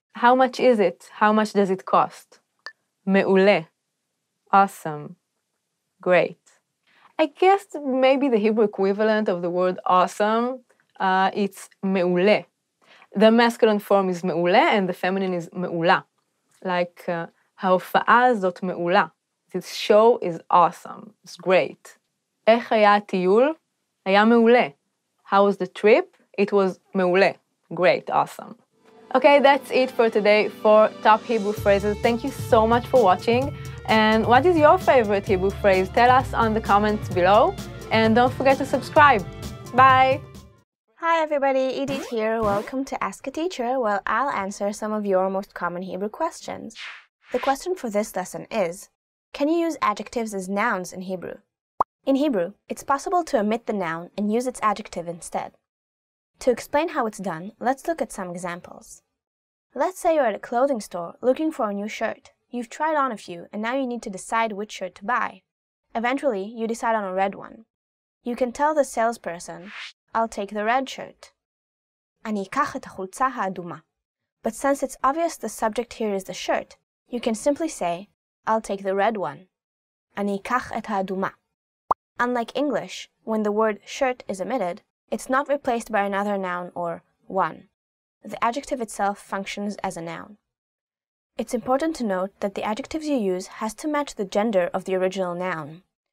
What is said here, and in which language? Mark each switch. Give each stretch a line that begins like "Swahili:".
English: How much is it? How much does it cost? מעולה. Awesome. great. I guess maybe the Hebrew equivalent of the word awesome, it's meule. The masculine form is meule and the feminine is meula. Like, ההופעה הזאת מעולה. This show is awesome. It's great.
Hebrew: איך היה הטיול? היה מעולה.
English: How was the trip? It was מעולה. Great, awesome. Okay, that's it for today for Top Hebrew Phrases. Thank you so much for watching. And what is your favorite Hebrew phrase? Tell us on the comments below. And don't forget to subscribe. Bye! Hi everybody, Edith here. Welcome to Ask a Teacher, where I'll answer some of your most common Hebrew questions. The question for this lesson is, can you use adjectives as nouns in Hebrew? In Hebrew, it's possible to omit the noun and use its adjective instead. To explain how it's done, let's look at some examples. Let's say you're at a clothing store looking for a new shirt. You've tried on a few, and now you need to decide which shirt to buy. Eventually, you decide on a red one. You can tell the salesperson, I'll take the red shirt.
Hebrew: אני אקח את החולצה האדומה.
English: But since it's obvious the subject here is the shirt, you can simply say, I'll take the red one.
Hebrew: אני אקח את האדומה.
English: Unlike English, when the word shirt is omitted, it's not replaced by another noun or one. The adjective itself functions as a noun. It's important to note that the adjectives you use has to match the gender of the original noun.